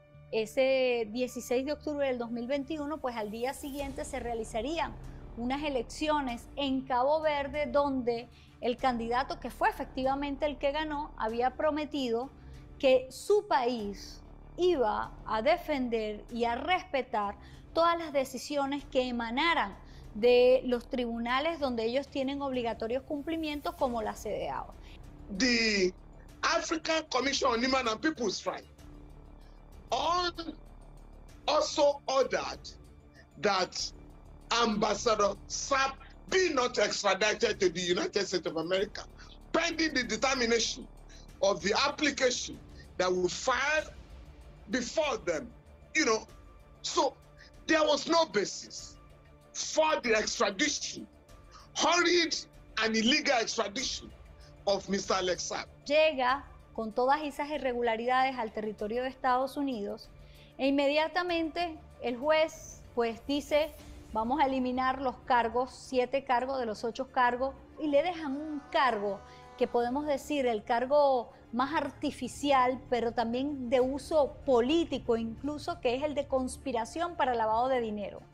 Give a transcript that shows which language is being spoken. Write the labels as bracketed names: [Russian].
[Spanish] Ese 16 de octubre del 2021, pues al día siguiente se realizarían unas elecciones en Cabo Verde donde el candidato, que fue efectivamente el que ganó, había prometido que su país iba a defender y a respetar todas las decisiones que emanaran de los tribunales donde ellos tienen obligatorios cumplimientos como la CDAO. [English] The African Commission on Human and People's Rights also ordered that Ambassador Saab be not extradited to the United States of America pending the determination of the application that will file before them, you know. So there was no basis for the extradition, hurried and illegal extradition of Mr. Alex Saab. [Spanish] Llega con todas esas irregularidades al territorio de Estados Unidos e inmediatamente el juez pues dice, vamos a eliminar los cargos, 7 cargos de los 8 cargos, y le dejan un cargo que podemos decir el cargo más artificial, pero también de uso político incluso, que es el de conspiración para lavado de dinero.